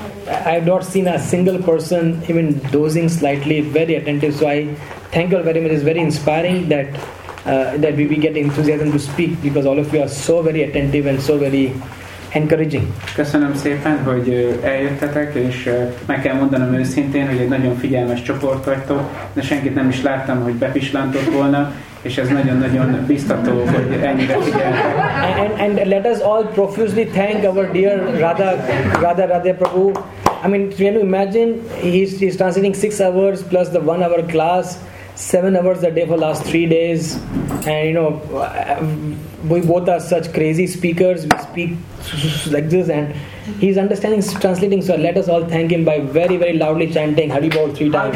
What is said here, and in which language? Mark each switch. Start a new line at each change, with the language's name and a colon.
English: I have not seen a single person even dozing slightly, very attentive. So I thank you very much. It's very inspiring that that we get enthusiasm to speak, because all of you are so very attentive and so very encouraging.
Hungarian: Köszönöm szépen, hogy eljöttetek, és meg kell mondanom őszintén, hogy egy nagyon figyelmes csoport vagytok, de senkit nem is láttam, hogy bepislantott volna, és ez nagyon-nagyon biztató, hogy ennyire figyeltek.
English: And let us all profusely thank our dear Radha Prabhu. I mean, can you imagine, he's translating 6 hours plus the 1 hour class, 7 hours a day for last 3 days, and you know, we both are such crazy speakers, we speak like this, and he's understanding, translating, so let us all thank him by very, very loudly chanting Hari Bol 3 times.